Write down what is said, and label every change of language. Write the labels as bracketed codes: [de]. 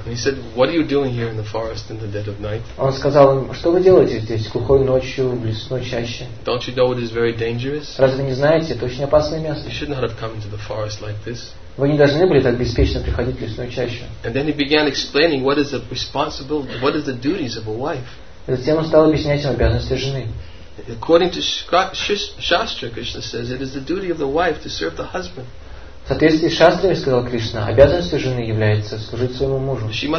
[en] He said, "What are you doing here in the forest in the dead of night?" [ru] Он сказал им, что вы делаете здесь, глухой ночью, в лесной чаще? [en] Don't you know it is very dangerous? [ru] Разве не знаете, это очень опасное место? [en] You should not have come into the forest like this. [ru] Вы не должны были так беспечно приходить в лесную чащу. [en] And then he began explaining what is the responsible, what is the duties of a wife. [ru] И затем он стал объяснять им обязанности жены. [en] According to Shastra, Krishna says it is the duty of the wife to serve the husband. [ru] В соответствии с шастрами, сказал Кришна, обязанностью жены является служить своему мужу.